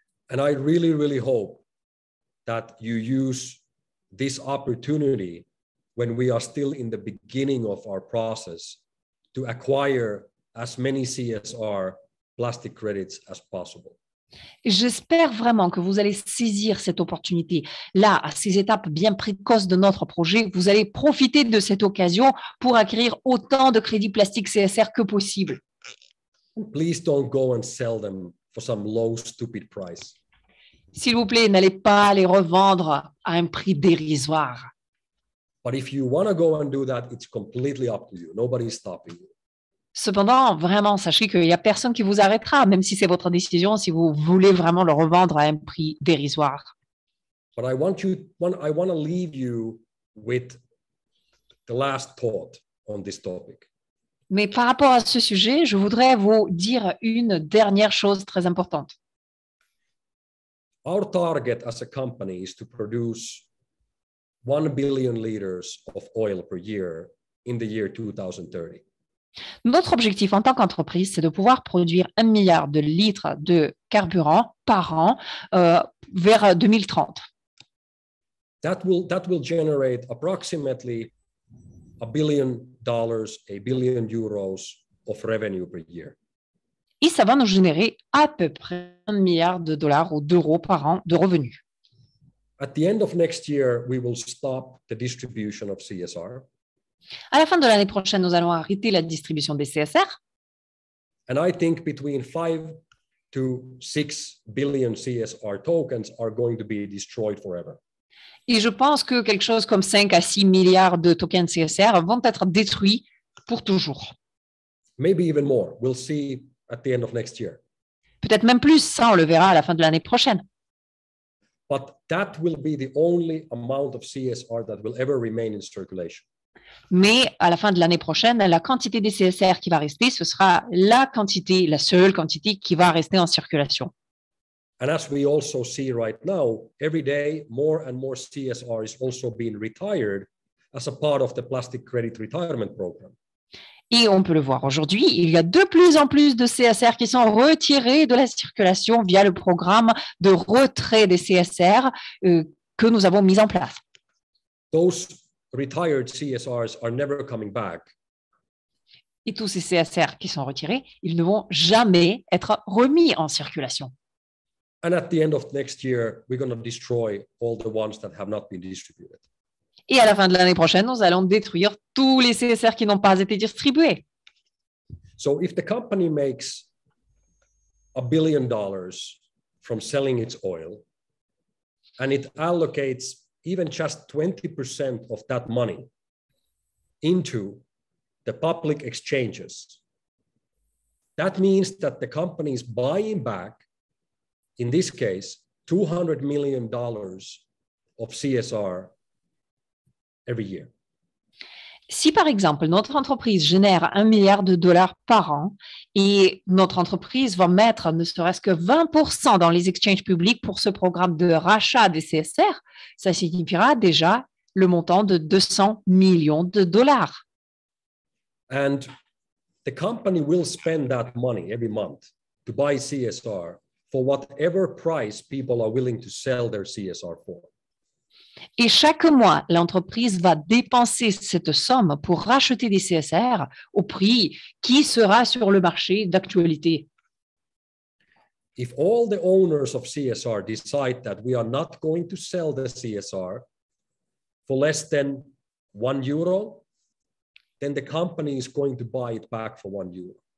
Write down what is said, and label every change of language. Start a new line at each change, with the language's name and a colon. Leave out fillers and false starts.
English: And I really, really hope that you use this opportunity when we are still in the beginning of our process to acquire as many CSR plastic credits as possible.
French: J'espère vraiment que vous allez saisir cette opportunité. Là, à ces étapes bien précoces de notre projet, vous allez profiter de cette occasion pour acquérir autant de crédits plastiques CSR que possible.
English: Please don't go and sell them for some low, stupid price.
French: S'il vous plaît, n'allez pas les revendre à un prix dérisoire.
English: But if you want to go and do that, it's completely up to you. Nobody's stopping you.
French: Cependant, vraiment, sachez qu'il n'y a personne qui vous arrêtera, même si c'est votre décision, si vous voulez vraiment le revendre à un prix dérisoire.
English: But I want to leave you with the last thought on this topic.
French: Mais par rapport à ce sujet, je voudrais vous dire une dernière chose très importante.
English: Our target as a company is to produce 1 billion liters of oil per year in the year 2030.
French: Notre objectif en tant qu'entreprise, c'est de pouvoir produire 1 milliard de litres de carburant par an vers 2030.
English: That will generate approximately a billion euros of revenue per year.
French: Et ça va nous générer à peu près 1 milliard de dollars ou d'euros par an de revenus.
English: At the end of next year, we will stop the distribution of CSR.
French: À la fin de l'année prochaine, nous allons arrêter la distribution des CSR.
English: And I think between 5 to 6 billion CSR tokens are going to be destroyed forever.
French: Et je pense que quelque chose comme 5 à 6 milliards de tokens CSR vont être détruits pour toujours.
English: Maybe even more. We'll see at the end of next year.
French: Peut-être même plus, ça on le verra à la fin de l'année prochaine.
English: But that will be the only amount of CSR that will ever remain in circulation.
French: Mais à la fin de l'année prochaine, la quantité des CSR qui va rester, ce sera la quantité, la seule quantité qui va rester en circulation.
English: And as we also see right now, every day more and more CSR is also being retired as a part of the plastic credit retirement program.
French: Et on peut le voir aujourd'hui, il y a de plus en plus de CSR qui sont retirés de la circulation via le programme de retrait des CSR que nous avons mis en place.
English: Those retired CSRs are never coming back.
French: Et tous ces CSR qui sont retirés, ils ne vont jamais être remis en circulation.
English: And at the end of next year, we're going to destroy all the ones that have not been distributed.
French: Et à la fin de l'année prochaine, nous allons détruire tous les CSR qui n'ont pas été distribués.
English: So if the company makes $1 billion from selling its oil and it allocates even just 20% of that money into the public exchanges, that means that the company is buying back, in this case, $200 million of CSR every year.
French: Si, par exemple, notre entreprise génère 1 milliard de dollars par an et notre entreprise va mettre ne serait-ce que 20% dans les exchanges publics pour ce programme de rachat des CSR, ça signifiera déjà le montant de 200 millions de dollars.
English: And the company will spend that money every month to buy CSR for whatever price people are willing to sell their CSR for.
French: Et chaque mois, l'entreprise va dépenser cette somme pour racheter des CSR au prix qui sera sur le marché d'actualité.
English: If all the owners of CSR decide that we are not going to sell the CSR for less than 1 euro, then the company is going to buy it back for 1 euro.